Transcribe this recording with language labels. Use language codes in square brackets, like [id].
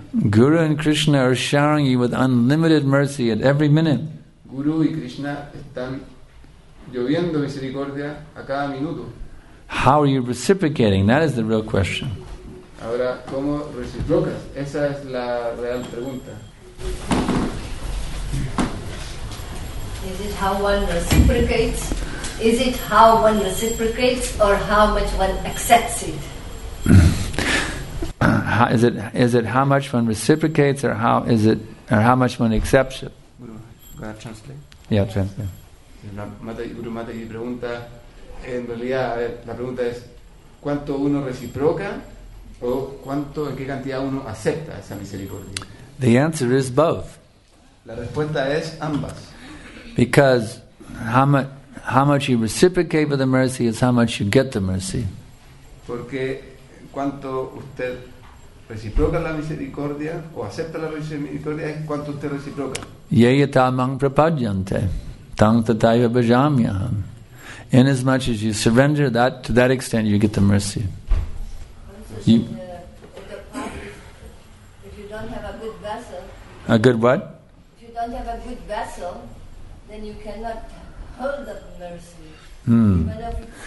[en] Guru and Krishna are showering you with unlimited mercy at every minute. [es] Guru y Krishna están lloviendo misericordia a cada minuto. [en] How are you reciprocating? That is the real question. [es] Ahora, ¿cómo reciprocas? Esa es la real pregunta. [en] Is it how one reciprocates? Is it how one reciprocates or how much one accepts it? Is it how much one reciprocates or how is it or how much one accepts it? Guru, can I translate? Yeah, translate. [es] Guru Mataji pregunta, en realidad, a ver, la pregunta es, ¿cuánto uno reciproca o cuánto, en qué cantidad uno acepta esa misericordia? [en] The answer is both. [es] La respuesta es ambas. [en] Because how much you reciprocate for the mercy is how much you get the mercy. [es] Porque cuánto usted reciproca la misericordia o acepta la misericordia es cuánto usted reciproca. [sa] Yeyatamang prapadyante tang tataya bhajamyaham. [en] Inasmuch as you surrender that, to that extent you get the mercy. If you don't have a good vessel. A good what? If you don't have a good vessel, then you cannot hold the mercy.